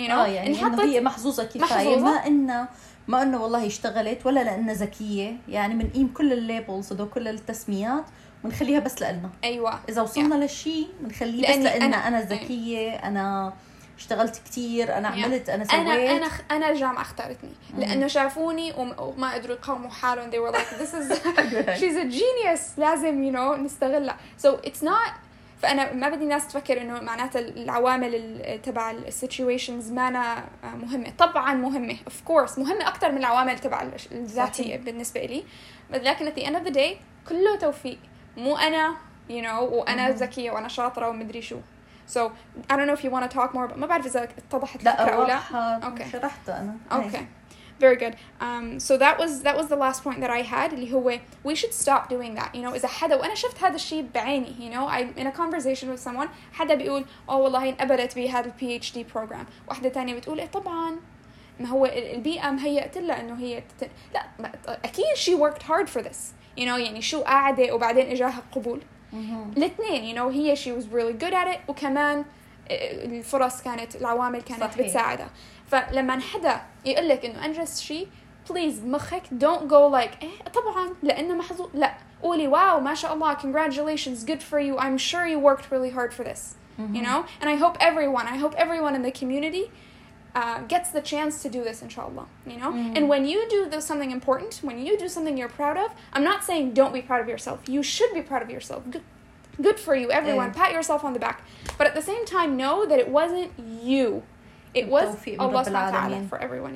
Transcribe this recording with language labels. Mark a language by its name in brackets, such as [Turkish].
[Arabic] يعني إن هي محظوظة كفاية, محظوظة. ما إنه والله اشتغلت ولا لأنها ذكية. يعني منقيم كل الليبلز ودو كل التسميات ونخليها بس لألنا. أيوة, إذا وصلنا للشي منخليه بس لألنا. أنا ذكية, أنا اشتغلت كتير, أنا عملت, أنا سويت, أنا الجامعة اختارتني لأنه شافوني وما قدروا يقاوموا حالهم. [English] They were like, this is she's a genius, [Arabic] لازم [English] you know [Arabic] نستغلها. [English] So it's not, [Arabic] فأنا ما بدي ناس تفكر إنه معناته العوامل تبع situations ما أنا مهمة. طبعا مهمة, [English] of course [Arabic] مهمة أكتر من العوامل تبع الذاتية بالنسبة لي, لكن [English] at the end of the day [Arabic] كله توفيق, مو أنا [English] you know, [Arabic] وأنا ذكية وأنا شاطرة ومدري شو. [English] So I don't know if you want to talk more, but [Arabic] ما بعرف إذا اتضحت الفكرة أو لا. [English] Okay. [Arabic] شرحت أنا. [English] Okay. Very good. So that was the last point that I had. [Arabic] اللي هو [English] we should stop doing that. You know, [Arabic] إذا حدا, وأنا شفت هذا الشيء بعيني. [English] You know, I'm in a conversation with someone. [Arabic] حدا بيقول, oh والله انقبلت بهذا ال PhD program. واحدة تانية بتقول, إيه طبعاً. ما هو البيئة مهيأت لها إنه هي لا. أكيد [English] she worked hard for this. [Arabic] You know, يعني شو قاعدة وبعدين إجاها قبول. الاثنين, [English] you know, [Arabic] هي [English] she was really good at it, [Arabic] وكمان الفرص كانت, العوامل كانت صحيح. بتساعدها. فلما حدا يقول لك انه انجز شيء, [English] please [Arabic] مخك [English] don't go like [Arabic] ايه طبعا لانه محظوظ, لا, قولي واو ما شاء الله, [English] congratulations, good for you, I'm sure you worked really hard for this. You know, and I hope everyone in the community gets the chance to do this, inshallah, you know. And when you do something important, when you do something you're proud of, I'm not saying don't be proud of yourself, you should be proud of yourself, good for you, everyone, pat yourself on the back, but at the same time know that it wasn't you, it was Allah subhanahu wa ta'ala for everyone.